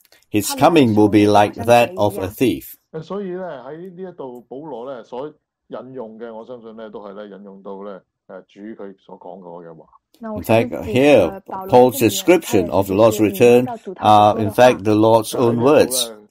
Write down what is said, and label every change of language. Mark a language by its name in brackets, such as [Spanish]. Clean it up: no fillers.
[English] his coming will be like that of a thief. [Chinese] 所以呢, 在这里, 保罗呢, 所引用的, 我相信呢, 都是呢, 引用到呢, [English] In fact, here, Paul's description of the Lord's return are, in fact, the Lord's own words.